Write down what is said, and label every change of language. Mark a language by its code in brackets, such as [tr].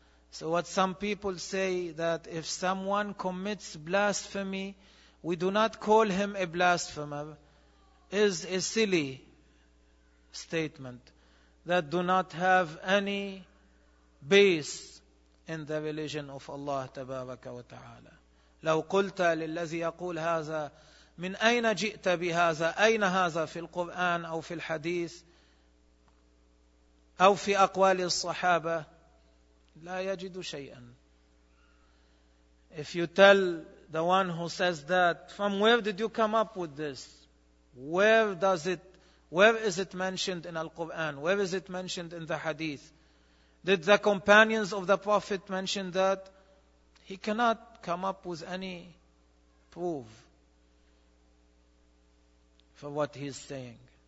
[en] So what some people say, that if someone commits blasphemy, we do not call him a blasphemer, is a silly statement that do not have any base in the religion of Allah Tabaraka wa Ta'ala. [ar] لو قلت للذي يقول هذا من أين جئت بهذا أين هذا في القرآن أو في الحديث أو في أقوال الصحابة لا يجد شيئا. [en] If you tell the one who says that, from where did you come up with this? Where is it mentioned in Al-Quran? Where is it mentioned in the Hadith? Did the companions of the Prophet mention that? He cannot come up with any proof for what he is saying.